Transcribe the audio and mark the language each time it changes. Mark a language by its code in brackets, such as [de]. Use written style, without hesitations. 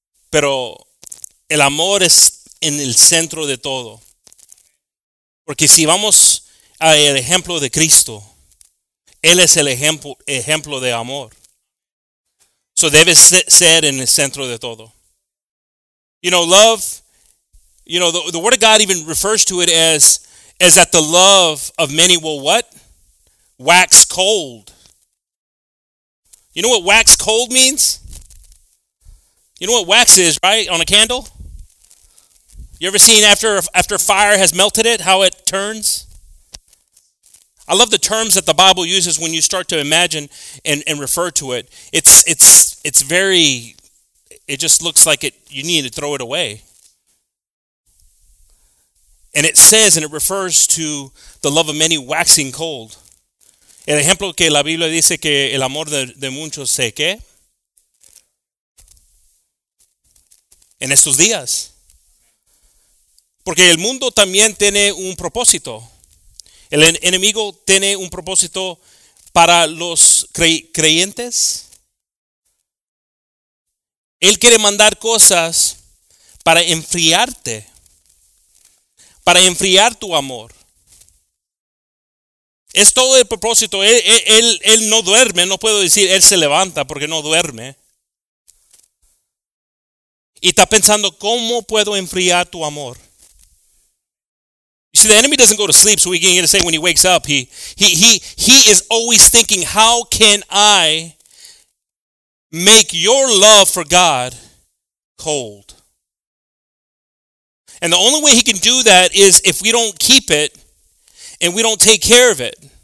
[es] Pero el amor es en el centro de todo. Porque si vamos al ejemplo de Cristo, Él es el ejemplo de amor. So debe ser en el centro de todo. [en] You know, love, you know, the word of God even refers to it as that the love of many will what? Wax cold. You know what wax cold means? You know what wax is, right? On a candle? You ever seen after fire has melted it, how it turns? I love the terms that the Bible uses when you start to imagine and refer to it. It's very, it just looks like it. You need to throw it away. And it says, and it refers to the love of many waxing cold. [es] El ejemplo que la Biblia dice que el amor de muchos se que en estos días. Porque el mundo también tiene un propósito. El enemigo tiene un propósito para los creyentes. Él quiere mandar cosas para enfriarte, para enfriar tu amor. Es todo el propósito. Él no duerme, no puedo decir él se levanta porque no duerme. Y está pensando, ¿cómo puedo enfriar tu amor? [en] See, the enemy doesn't go to sleep, so we can get to say when he wakes up, he is always thinking, how can I make your love for God cold? And the only way he can do that is if we don't keep it and we don't take care of it.